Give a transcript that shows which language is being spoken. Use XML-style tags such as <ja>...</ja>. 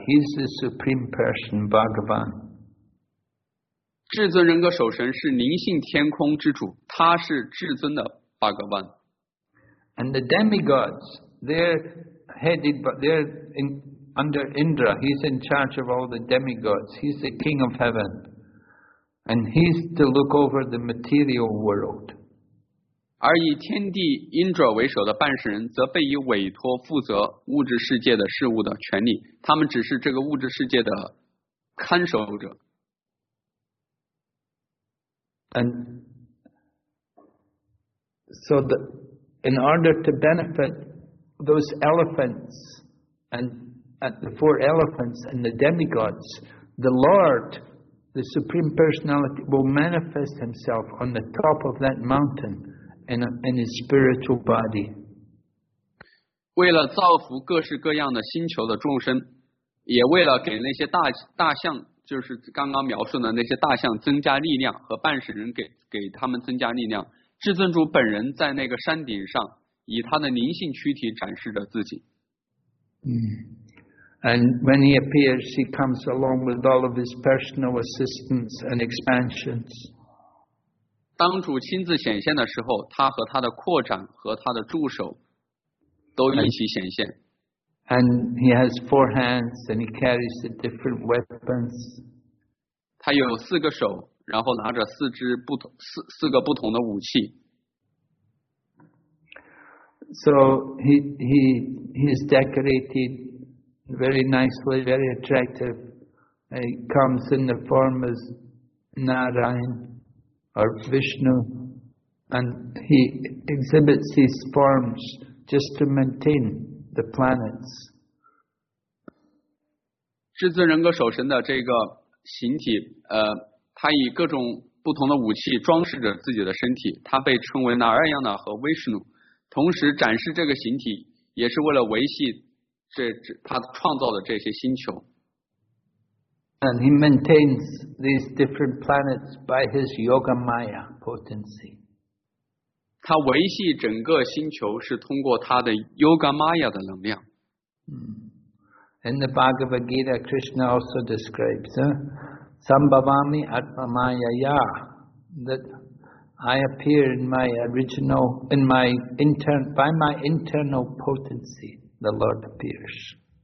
<en>He's the Supreme Person, Bhagavan.</en> <zh>至尊人格守神是灵性天空之主，他是至尊的巴格万。</zh> <en>And the demigods, they're headed, but they're in under Indra. He's in charge of all the demigods. He's the king of heaven, and he's to look over the material world.</en> <zh>而以天帝 Indra 为首的半神人，则被以委托负责物质世界的事物的权利。他们只是这个物质世界的看守者。</zh> <en>And so, in order to benefit those elephants and the four elephants and the demigods, the Lord, the Supreme Personality, will manifest Himself on the top of that mountain in His spiritual body.</en> <zh>为了造福各式各样的星球的众生，也为了给那些大象。就是刚刚描述的那些大象增加力量和半神人给他们增加力量，至尊主本人在那个山顶上以他的灵性躯体展示着自己。</zh> <en>And when he appears, he comes along with all of his personal assistants and expansions.</en> <zh>当主亲自显现的时候，他和他的扩展和他的助手都一起显现。</zh> <en>And he has four hands and he carries the different weapons.</en> <zh>他有四个手，然后拿着四支不同四个不同的武器。</zh> <en>So he is decorated very nicely, very attractive. He comes in the form as Narayan or Vishnu, and he exhibits these forms just to maintain the planets.</en> <zh>至尊人格守神的这个形体，他以各种不同的武器装饰着自己的身体，他被称为 Narayana 和 Vishnu。同时展示这个形体也是为了维系这他创造的这些星球。</zh> <en>And he maintains these different planets by his yoga maya potency.</en> <zh>他维系整个星球是通过他的 yoga maya 的能量。</zh> <en>In the Bhagavad Gita, Krishna also describes,</en> <sa>Sambhavami Atmamayaya,</sa> <en>that I appear in my original, in my intern, by my internal potency, the Lord appears.</en>